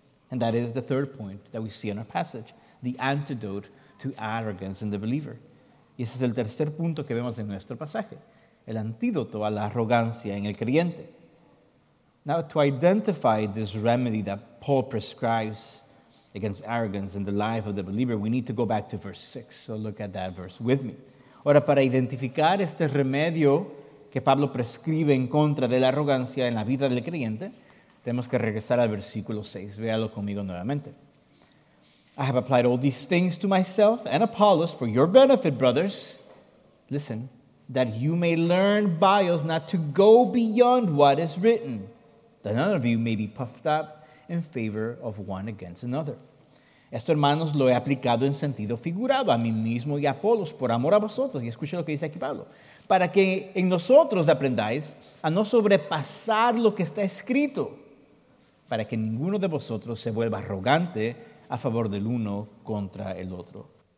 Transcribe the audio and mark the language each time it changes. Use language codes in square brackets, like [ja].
[en] And that is the third point that we see in our passage. The antidote to arrogance in the believer. [es] Y ese es el tercer punto que vemos en nuestro pasaje. El antídoto a la arrogancia en el creyente. [en] Now, to identify this remedy that Paul prescribes against arrogance in the life of the believer, we need to go back to verse 6. So look at that verse with me. [es] Ahora, para identificar este remedio que Pablo prescribe en contra de la arrogancia en la vida del creyente, tenemos que regresar al versículo 6. Véalo conmigo nuevamente. [en] I have applied all these things to myself and Apollos for your benefit, brothers. Listen, that you may learn by us not to go beyond what is written, that none of you may be puffed up in favor of one against another. [es] Esto, hermanos, lo he aplicado en sentido figurado a mí mismo y a Apollos por amor a vosotros. Y escuchen lo que dice aquí Pablo. Para que en nosotros aprendáis a no sobrepasar lo que está escrito, para que ninguno de vosotros se vuelva arrogante a favor del uno contra el otro.